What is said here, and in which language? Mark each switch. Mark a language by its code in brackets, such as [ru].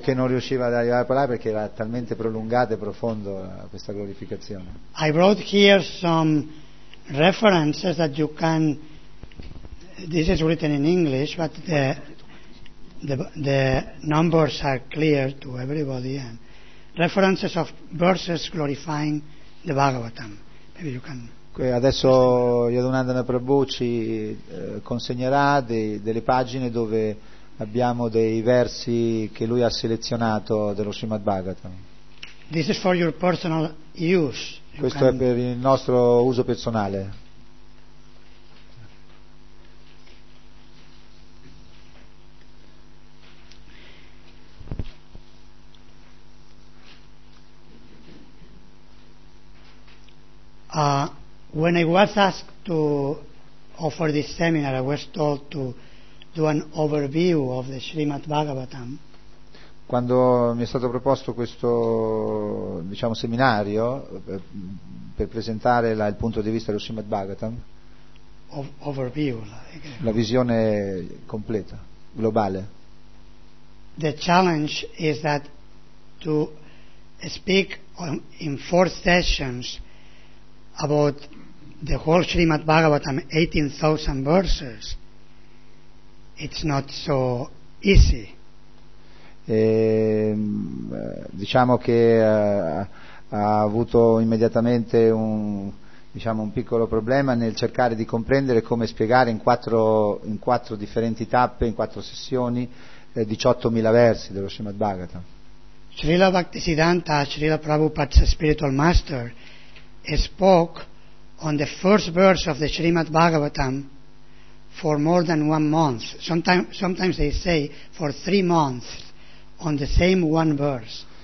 [it] che non riusciva ad arrivare a parlare perché era talmente prolungato e profondo questa glorificazione. [en] I brought here some references that you can, this is written in English, but the numbers are clear to everybody, and references of verses glorifying the Bhagavatam. Maybe you can... [it] Adesso Yadunandana Prabhu ci consegnerà delle pagine dove abbiamo dei versi che lui ha selezionato dello Srimad Bhagavatam. [en] This is for your personal use. [it] Questo è per il nostro uso personale. [en] When I was asked to offer this seminar, I was told to do an overview of the Srimad Bhagavatam. [it] Quando mi è stato proposto questo, diciamo, seminario per presentare il punto di vista dello Srimad Bhagavatam, [en] overview, like, [it] la visione completa, globale. [en] The challenge is that to speak in 4 sessions about the whole Srimad Bhagavatam, 18,000 verses, it's not so easy. [it] Diciamo che ha avuto immediatamente un piccolo problema nel cercare di comprendere come spiegare in quattro differenti tappe, in 4 sessioni, 18,000 versi dello Srimad Bhagavatam. [en] Srila Bhaktisiddhanta, Srila Prabhupada's spiritual master, spoke on the first verse of the Srimad Bhagavatam for more than 1 month. Sometimes they say for 3 months on the same one verse.